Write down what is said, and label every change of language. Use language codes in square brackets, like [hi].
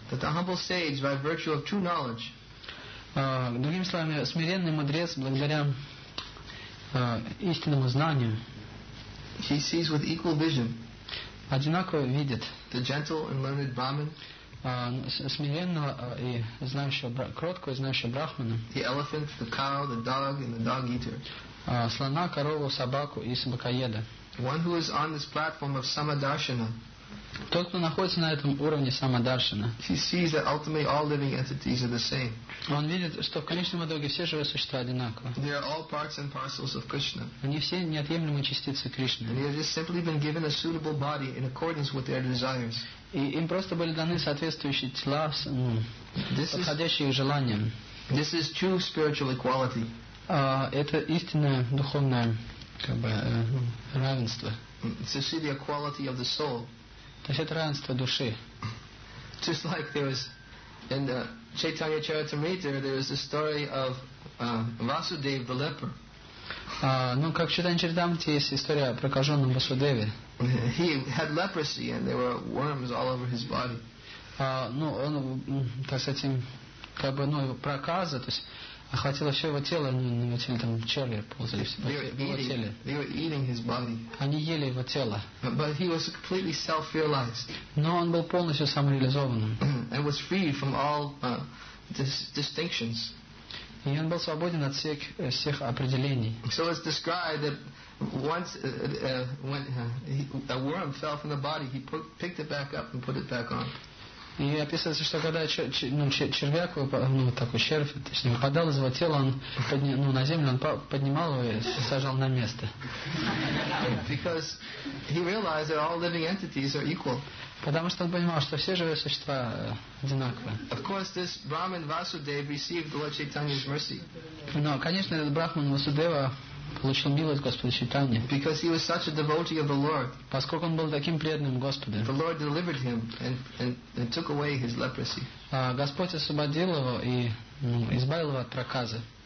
[en] That the humble sage, by virtue of true knowledge, [ru] другими словами, смиренный мудрец, благодаря истинному знанию, [en] he sees with equal vision, [ru] одинаково видит, [en] the gentle and learned brahman, [ru] смиренного и знающего, кроткого и знающего брахмана, [en] the elephant, the cow, the dog, and the dog eater, [ru] слона, корову, собаку и собакоеда. [en] One who is on this platform of samadarshana. [ru] Тот, кто находится на этом уровне самадаршина. [en] He sees that ultimately all living entities are the same. [ru] Он видит, что в конечном итоге все живые существа одинаковы. [en] They are all parts and parcels of Krishna. [ru] Они все неотъемлемые частицы Кришны. [en] And they have just simply been given a suitable body in accordance with their desires. [ru] И им просто были даны соответствующие тела, подходящие их желаниям. [en] This is true spiritual equality. [ru] Это истинное духовное, как бы, равенство. [en] To see the equality of the soul. [ru] То есть это равенство души. [en] Just like there was in the Chaitanya Charitamrita, there is the story of Vasudeva the leper. [ru] Ну, как в Чайтанья Чаритамрите есть история о прокаженном Васудеве. [en] He had leprosy and there were worms all over his body. [ru] Ну, он, так сказать, им, как бы, ну, проказа, то есть охватило все его тело, они на его теле там черви ползали в его теле. [en] They were eating his body. [ru] Они ели его тело. [en] But he was completely self-realized. [ru] Но он был полностью самореализованным. [en] And was free from all distinctions. [ru] И он был свободен от всех, всех определений. [en] So it's described that once when a worm fell from the body, he picked it back up and put it back on. [ru] И описывается, что когда червяк, ну, такой червь, точнее, выпадал из его тела, он ну, на землю, он поднимал его и сажал на место. [en] Because he realized that all living entities are equal. [ru] Потому что он понимал, что все живые существа одинаковы. [en] Of course, this Brahman Vasudev received Lord Chaitanya's mercy. [ru] Но, конечно, этот Брахман Васудева получил милость Господа Чайтанья. [en] Because he was such a devotee of the Lord. [ru] Поскольку он был таким преданным Господу. [en] The Lord delivered him and took away his leprosy. [ru] Господь освободил его и избавил его от проказа.